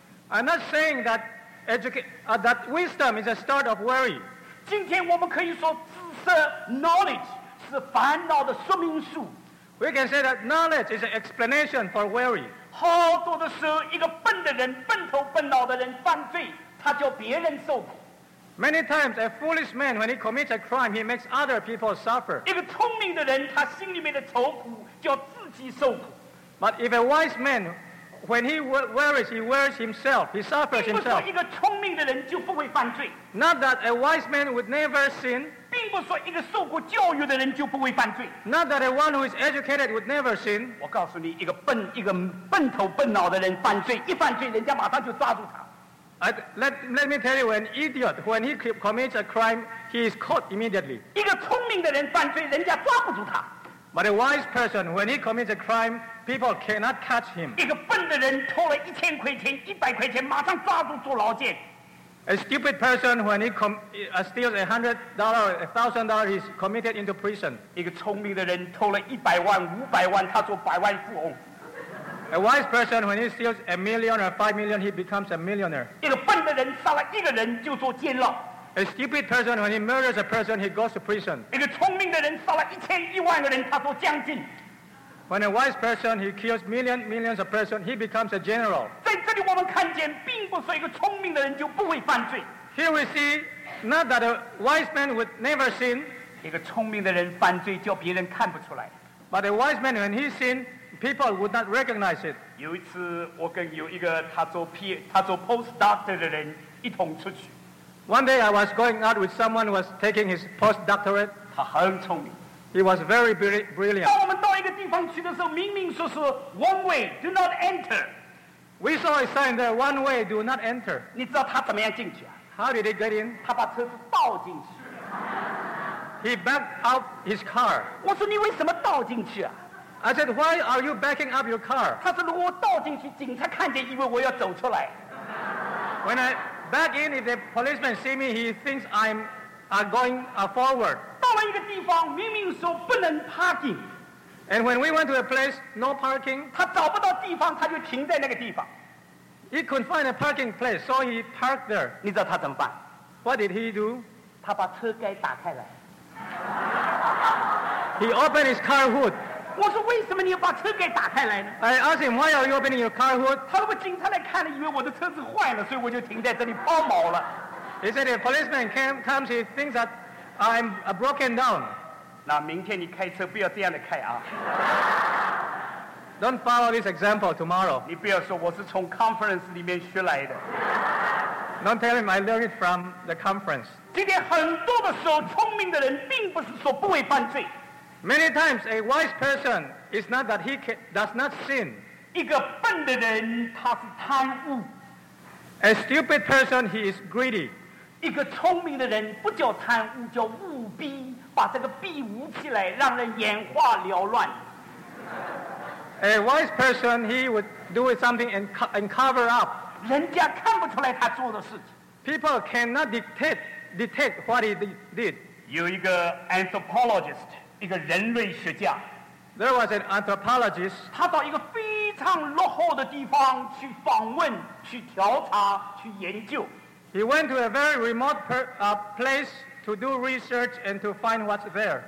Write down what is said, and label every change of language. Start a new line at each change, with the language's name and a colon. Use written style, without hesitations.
English: I'm not saying that that wisdom is a start of worry.
Chinese: 今天我们可以说知识 knowledge。是烦恼的说明书。
English: We can say that knowledge is an explanation for worry.
Chinese: 好多的时候，一个笨的人、笨头笨脑的人犯罪，他叫别人受苦。
English: Many times, a foolish man when he commits a crime, he makes other people suffer.
Chinese: 一个聪明的人，他心里面的愁苦叫自己受苦。
English: But if a wise man, when he worries, he worries himself, he suffers himself.
Chinese: 并不是一个聪明的人就不会犯罪。
English: Not that a wise man would never sin.
Chinese: 并不是说一个受过教育的人就不会犯罪。
English: Not that a one who is educated would never sin.
Chinese: 我告诉你，一个笨头笨脑的人犯罪，一犯罪，人家马上就抓住他。
English: Let me tell you, an idiot when he commits a crime, he is caught immediately.
Chinese: 一个聪明的人犯罪，人家抓不住他。
English: But a wise person when he commits a crime, people cannot catch him.
Chinese: 一个笨的人偷了1000块钱、100块钱，马上抓住坐牢监。
English: A stupid person, when he steals $100 or $1,000, he's committed into prison.
Chinese: 一个聪明的人偷了100万、500万，他做百万富翁。
English: A wise person, when he steals $1 million or $5 million, he becomes a millionaire.
Chinese: 一个笨的人杀了一个人就坐监牢。
English: A stupid person, when he murders a person, he goes to prison.
Chinese: 一个聪明的人杀了1000、10000个人，他做将军。
English: When a wise person, he kills millions of persons, he becomes a general.
Chinese: 在这里我们看见，并不是一个聪明的人就不会犯罪。
English: Here we see, not that a wise man would never sin.
Chinese: 一个聪明的人犯罪叫别人看不出来。
English: But a wise man, when he sinned, people would not recognize it.
Chinese: 有一次我跟有一个他做 postdoctor 的人一同出去。
English: One day I was going out with someone who was taking his postdoctorate.
Chinese: 他很聪明。
English: He was very brilliant. 当我们到一个地方去的时候，
Chinese: 明明说是
English: one way, do not enter. We saw a sign that one way do not enter.
Chinese: 你知道他怎么样进去啊？
English: How did he get in?
Chinese: 他把车子倒进去。
English: He backed up his car.
Chinese: 我说你为什么倒进去啊？
English: I said, why are you backing up your car?
Chinese: 他说如果我倒进去，警察看见，以为我要走出来。
English: When I back in, if the policeman see me, he thinks I'm going forward.
Chinese: 到了一个地方，明明说不能 parking.
English: And when we went to a place, no parking.
Chinese: 他找不到地方，他就停在那个地方。
English: He couldn't find a parking place, so he parked there.
Chinese: 你知道他怎么办？
English: What did he do?
Chinese: 他把车盖打开来。
English: He opened his car hood.
Chinese: 我说为什么你要把车给打开来呢？
English: I asked him, why are you opening your car hood?
Chinese: 他说我警察来看了，以为我的车子坏了，所以我就停在这里抛锚了。
English: He said, if a policeman comes, he thinks that I'm broken down.
Chinese: 那明天你开车不要这样的开啊。
English: Don't follow this example tomorrow.
Chinese: 你不要说我是从 conference 里面学来的。
English: Don't tell him I learned it from the conference.
Chinese: 今天很多的时候，聪明的人并不是说不会犯罪。
English: Many times a wise person is not that he does not sin.
Chinese: 一个笨的人他是贪污。
English: A stupid person he is greedy.
Chinese: 一个聪明的人不叫贪污叫务逼，把这个逼捂起来，让人眼花缭乱。
English: A wise person he would do something and cover up.
Chinese: 人家看不出来他做的事情。
English: People cannot detect what he did.
Chinese: 有一个 anthropologist. 一个人类学家
English: There was an anthropologist
Chinese: 他到一个非常落后的地方去访问去调查去研究
English: He went to a very remote place to do research and to find what's there